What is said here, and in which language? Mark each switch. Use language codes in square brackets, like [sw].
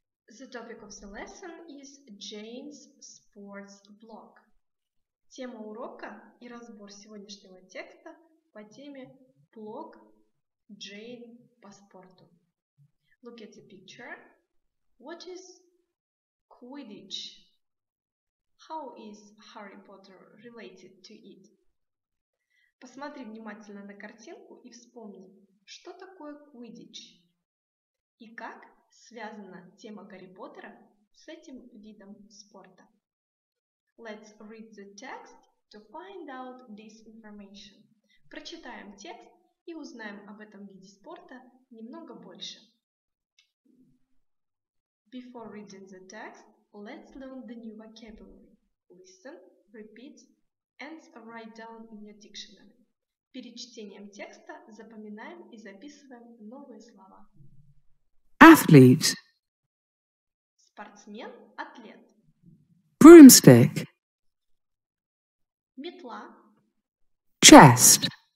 [en] The topic of the lesson is Jane's sports blog. [ru] Тема урока и разбор сегодняшнего текста по теме блог Jane по спорту. [en] Look at the picture. What is Quidditch? How is Harry Potter related to it? [ru] Посмотри внимательно на картинку и вспомни, что такое Quidditch и как связана тема Гарри Поттера с этим видом спорта. [en] Let's read the text to find out this information. [ru] Прочитаем текст и узнаем об этом виде спорта немного больше. [en] Before reading the text, let's learn the new vocabulary. Listen, repeat, and write down in your dictionary. [ru] Перед чтением текста запоминаем и записываем новые слова. [en] Athlete. [ru] Спортсмен, атлет. [en] Broomstick. [ru] Метла. [en] Chest.